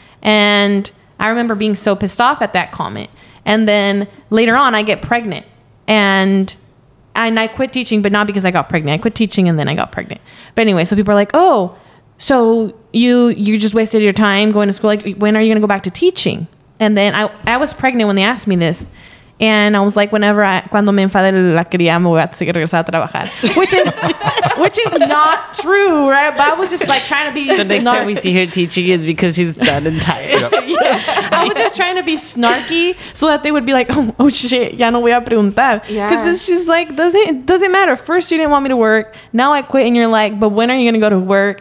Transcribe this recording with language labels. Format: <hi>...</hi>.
<en>And I remember being so pissed off at that comment. And then later on, I get pregnant. And I quit teaching, but not because I got pregnant. I quit teaching and then I got pregnant. But anyway, so people are like, oh, so you just wasted your time going to school. Like, when are you gonna go back to teaching? And then I was pregnant when they asked me this. And I was like, whenever</en> <es>cuando me enfade la cría, me voy a seguir regresando a trabajar.</es> <en>Which is not true, right? But I was just like trying to be snarky. The next time we see her teaching is because she's done and tired. Yeah. Yeah. I was just trying to be snarky so that they would be like, oh shit,</en> <es>ya no voy a preguntar.</es> <en>Because it's just like, doesn't matter. First, you didn't want me to work. Now I quit and you're like, but when are you going to go to work?</en>